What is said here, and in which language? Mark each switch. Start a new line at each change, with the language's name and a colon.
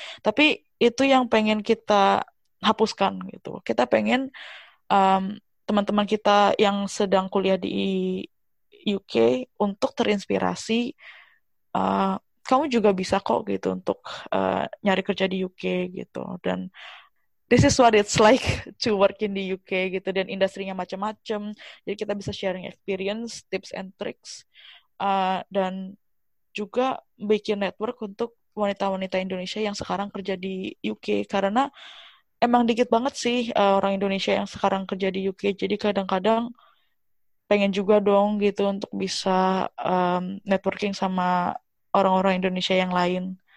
Indonesian: Tapi itu yang pengen kita hapuskan gitu. Kita pengen teman-teman kita yang sedang kuliah di UK untuk terinspirasi, kamu juga bisa kok gitu untuk nyari kerja di UK gitu. Dan
English: this is what it's like to work in the UK
Indonesian: gitu. Dan industrinya macam-macam. Jadi kita bisa sharing experience,
English: tips and tricks,
Indonesian: dan juga bikin network untuk wanita-wanita Indonesia yang sekarang kerja di UK, karena emang dikit banget sih orang Indonesia yang sekarang kerja di UK, jadi kadang-kadang pengen juga dong gitu untuk bisa networking sama orang-orang Indonesia yang lain.